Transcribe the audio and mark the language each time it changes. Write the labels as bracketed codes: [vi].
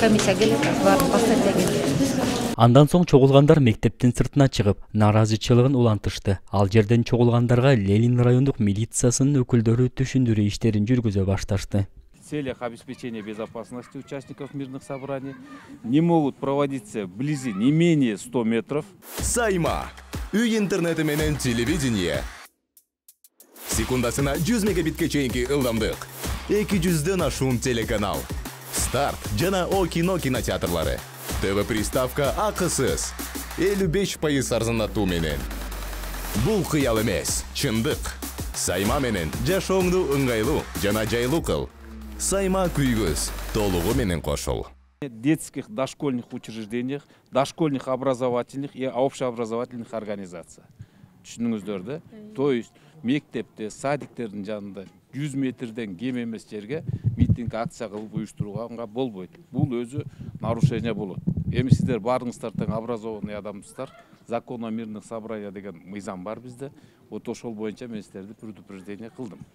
[ky] Комиссия келет, барып постатья келет. Андан соң чогулгандар мектептин сыртына чыгып, нааразычылыгын улантышты. Ал жерден чогулгандарга Лелин райондук милициясынын өкүлдөрү түшүндүрүү иштерин жүргүзө башташты. [ru] В целях обеспечения безопасности участников мирных собраний не могут проводиться вблизи не менее 100 метров. [ky] Сайма. Үй интернети менен телевидение. Секундасына 100 мегабитке чейинки ылдамдык. 200-дөн ашуун телеканал. Старт жана О-кино кинотеатрлары. ТВ-приставка акысыз. 55% арзандатуу менен. Бул кыял эмес, чындык. Сайма менен жашооңду ыңгайлуу жана жайлуу кыл. Сайма күйгүз. Толугу менен кошул. [ru] Детских дошкольных учреждениях, дошкольных образовательных и общеобразовательных организаций. [ky] Түшүндүңүздөр да? [ru] То есть [ky] мектепте, садиктердин жанында 100 метрден кем эмес жерге митинг акция кылып уюштурганга болбойт. Бул өзү нарушение болот. Эми сиздер баарыңыздар тең образованный адамсыздар. Закон о мирных собраниях деген мыйзам бар бизде. Вот ошол боюнча мен сиздерди предупреждение кылдым.